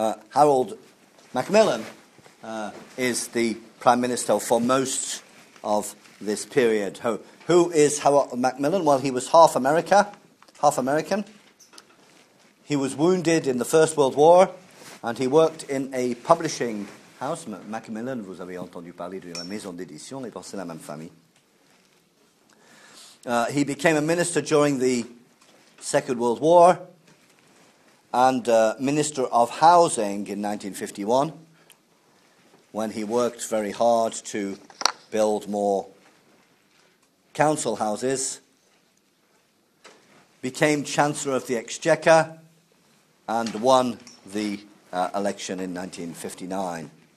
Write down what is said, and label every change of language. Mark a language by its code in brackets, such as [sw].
[en] Harold Macmillan is the Prime Minister for most of this period. Who is Harold Macmillan? Well, he was half American. He was wounded in the First World War, and he worked in a publishing house. [fr] Macmillan, vous avez entendu parler de la maison d'édition, et c'est la même famille. [en] He became a minister during the Second World War and Minister of Housing in 1951, when he worked very hard to build more council houses, became Chancellor of the Exchequer, and won the election in 1959.